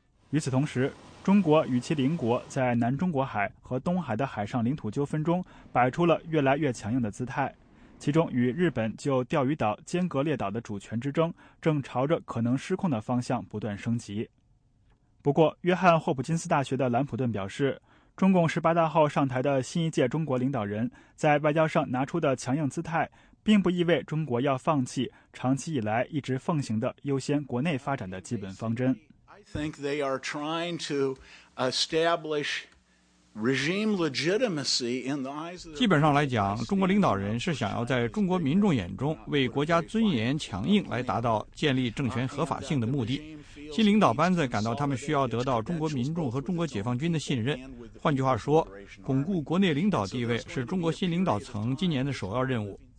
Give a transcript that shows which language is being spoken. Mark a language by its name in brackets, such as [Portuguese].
[Chinese] 与此同时，中国与其邻国在南中国海和东海的海上领土纠纷中摆出了越来越强硬的姿态，其中与日本就钓鱼岛、尖阁列岛的主权之争正朝着可能失控的方向不断升级。不过，约翰霍普金斯大学的兰普顿表示，中共十八大后上台的新一届中国领导人在外交上拿出的强硬姿态，并不意味中国要放弃长期以来一直奉行的优先国内发展的基本方针。 [English] I think they are trying to establish regime legitimacy in the eyes of. [Chinese] 基本上来讲，中国领导人是想要在中国民众眼中为国家尊严强硬来达到建立政权合法性的目的。新领导班子感到他们需要得到中国民众和中国解放军的信任。换句话说，巩固国内领导地位是中国新领导层今年的首要任务。